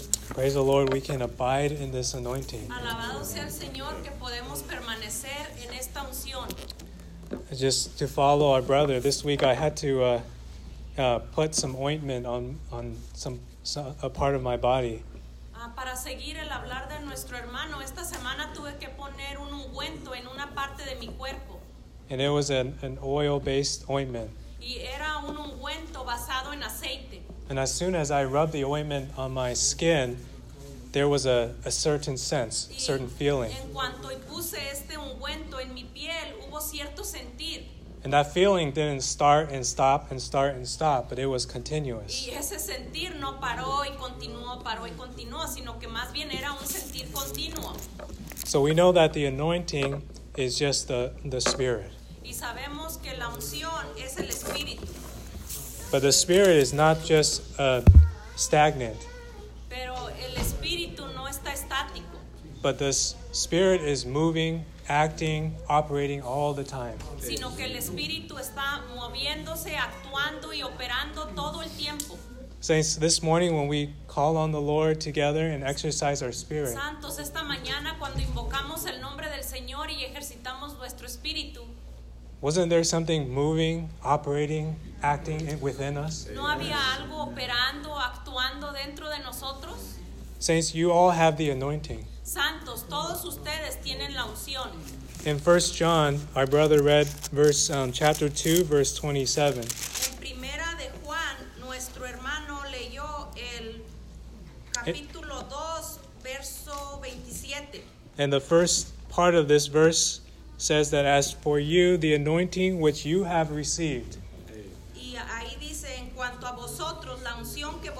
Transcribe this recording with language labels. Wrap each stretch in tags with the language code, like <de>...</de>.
<en>Praise the Lord, we can abide in this anointing.</en> <es>Alabado sea el Señor que podemos permanecer en esta unción.</es> <en>Just to follow our brother, this week I had to put some ointment on a part of my body.</en> <es>Para seguir el hablar de nuestro hermano, esta semana tuve que poner un ungüento en una parte de mi cuerpo.</es> <en>And it was an oil-based ointment.</en> <es>Y era un ungüento basado en aceite.</es> <en>And as soon as I rubbed the ointment on my skin, there was a certain sense, a certain feeling.</en> <es>En cuanto puse este ungüento en mi piel, hubo cierto sentir.</es> <en>And that feeling didn't start and stop and start and stop, but it was continuous.</en> <es>Y ese sentir no paró y continuó, paró y continuó, sino que más bien era un sentir continuo.</es> <en>So we know that the anointing is just the spirit.</en> <es>Y sabemos que la unción es el espíritu.</es> <en>But the spirit is not just stagnant.</en> <es>Pero el espíritu no está estático.</es> <en>But the spirit is moving, acting, operating all the time.</en> <es>Sino que el espíritu está moviéndose, actuando y operando todo el tiempo.</es> <en>Saints, this morning when we call on the Lord together and exercise our spirit.</en> <es>Santos, esta mañana cuando invocamos el nombre del Señor y ejercitamos nuestro espíritu.</es> <en>Wasn't there something moving, operating, acting within us?</en> <es>¿No había algo operando, actuando dentro de nosotros?</es> <en>Saints, you all have the anointing.</en> <es>Santos, todos ustedes tienen la unción.</es> <en>In 1 John, our brother read verse chapter 2, verse 27.</en> <es>En primera de Juan, nuestro hermano leyó el capítulo 2, verso 27.</es> <en>And the first part of this verse says that as for you, the anointing which you have received.</en> <es>Y ahí dice, en cuanto a vosotros, la unción</es>